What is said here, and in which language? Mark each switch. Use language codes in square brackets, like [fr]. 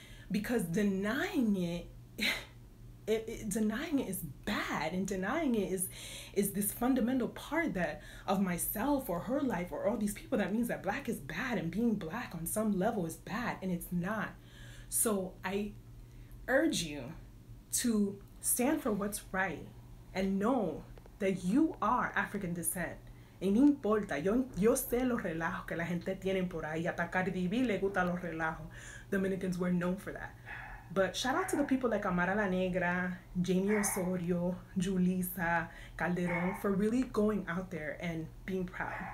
[en] Because denying it is bad, and denying it is this fundamental part that of myself or her life or all these people, that means that black is bad and being black on some level is bad, and it's not. So I urge you to stand for what's right and know that you are African descent. [es] Y no importa, yo sé los relajos que la gente tienen por ahí, hasta Cardi B le gusta los relajos. [en] Dominicans were known for that. But shout out to the people like Amara La Negra, Jamie Osorio, Julissa, Calderon, for really going out there and being proud.